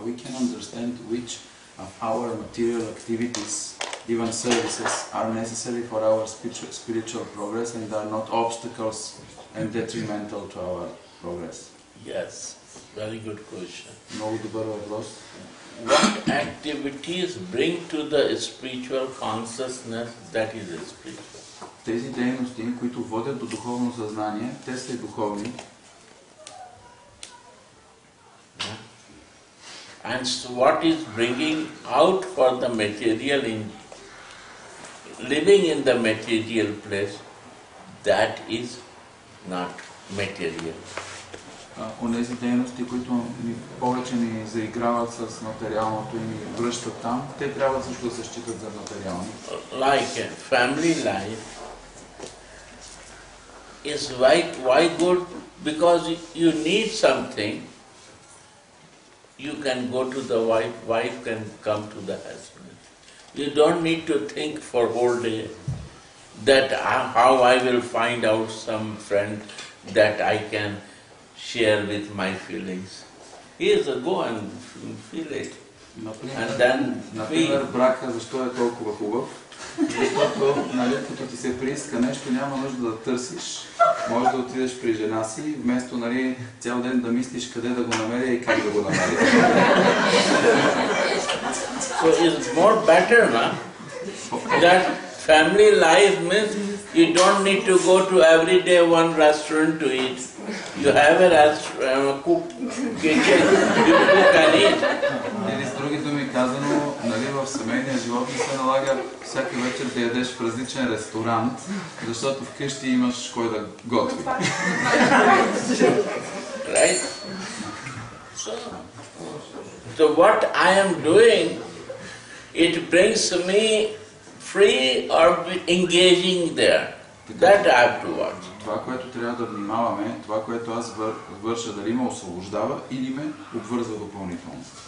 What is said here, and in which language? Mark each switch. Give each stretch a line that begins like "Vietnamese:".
English: we can understand which of our material activities, even services, are necessary for our spiritual progress and are not obstacles and detrimental to our progress? Yes, very good question.
Bulgarian: Много добър въпрос.
English: What activities bring to the spiritual consciousness that is spiritual?
Bulgarian: Тези дейности, които водят до духовно съзнание, те са и духовни.
English: And so what is bringing out for the material in living in the material place, that is not material.
Bulgarian: Онези дейности, които повече ни заиграват с материалното и ни връщат там, те трябва също да се считат за материални.
English: Like family life is why good? Because you need something, you can go to the wife can come to the husband. You don't need to think for whole day that how I will find out some friend that I can share with my feelings. Here's a go and feel it. And then
Bulgarian: например, брака, защо е толкова хубав? Защото, нали, като ти се прииска нещо, няма нужда да търсиш. Може да отидеш при жена си, вместо нали, цял ден да мислиш къде да го намеря и как да го намеря.
English: So it's more better, no? That family life means you don't need to go to every day one restaurant to eat. You have a restaurant, cook kitchen, you cook and eat.
Bulgarian: Или с други думи казано, нали, в семейния живот не се налага всяка вечер да ядеш в различен ресторант, защото вкъщи имаш кой да готви.
English: Right? So what I am doing, it brings me free or engaging there. That I have to watch.
Bulgarian: Това, което трябва да внимаваме, това, което аз върша, дали ме освобождава или ме обвързва допълнително.